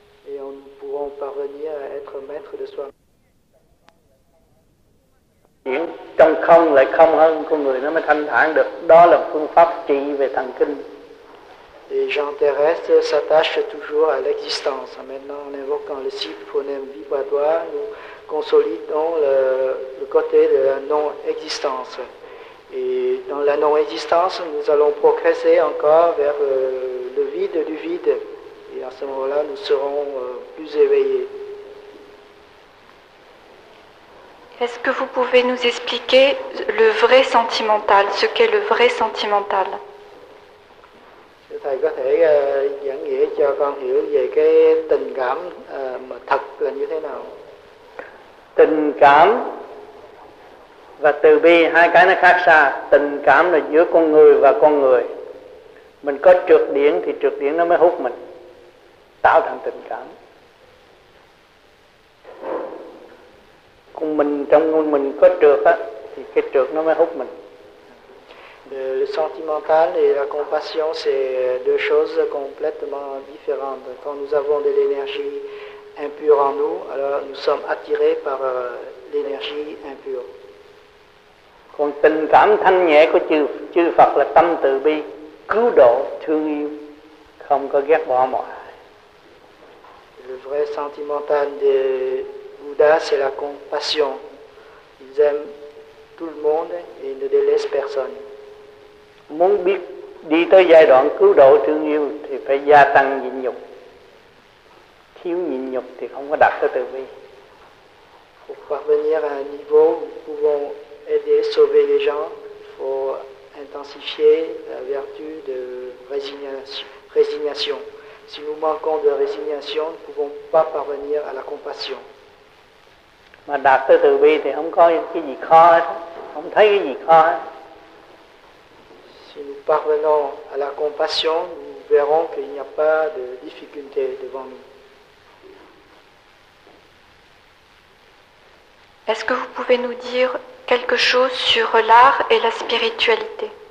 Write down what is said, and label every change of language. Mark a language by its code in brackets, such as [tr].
[fr] Et on pourra parvenir à être maître de soi. [vi] Chuyển trong không lại không hơn, con người nó mới thanh thản được. Đó là phương pháp trị về thần kinh. [fr] Les gens terrestres s'attachent toujours à l'existence. Maintenant, en invoquant les six phonèmes vibratoires, nous consolidons le côté de la non-existence. Et dans la non-existence, nous allons progresser encore vers le vide du vide. Et à ce moment-là, nous serons plus éveillés. Est-ce que vous pouvez nous expliquer le vrai sentimental, ce qu'est le vrai sentimental? [vi] Thầy có thể giảng nghĩa cho con hiểu về cái tình cảm mà thật là như thế nào? Tình cảm và từ bi, hai cái nó khác xa. Tình cảm là giữa con người và con người. Mình có trược điển thì trược điển nó mới hút mình, tạo thành tình cảm. Còn mình trong mình có trược á, thì cái trược nó mới hút mình. [fr] Le sentimental et la compassion, c'est deux choses complètement différentes. Quand nous avons de l'énergie impure en nous, alors nous sommes attirés par l'énergie impure. [vi] Còn tình cảm thanh nhẹ của chư Phật là tâm từ bi, cứu độ, thương yêu, không có ghét bỏ mọi ai. [fr] Le vrai sentimental de Bouddha, c'est la compassion. Ils aiment tout le monde et ne délaissent personne. [vi] Muốn biết đi tới giai đoạn cứu độ thương yêu thì phải gia tăng nhịn nhục. Thiếu nhịn nhục thì không có đạt tới từ bi. [fr] Pour parvenir à un niveau où nous pouvons aider, sauver les gens, faut intensifier la vertu de résignation. Si nous manquons de résignation, nous ne pouvons pas parvenir à la compassion. [vi] Mà đạt tới từ bi thì không có cái gì khó hết, không thấy cái gì khó hết. [fr] Si nous parvenons à la compassion, nous verrons qu'il n'y a pas de difficulté devant nous. Est-ce que vous pouvez nous dire quelque chose sur l'art et la spiritualité?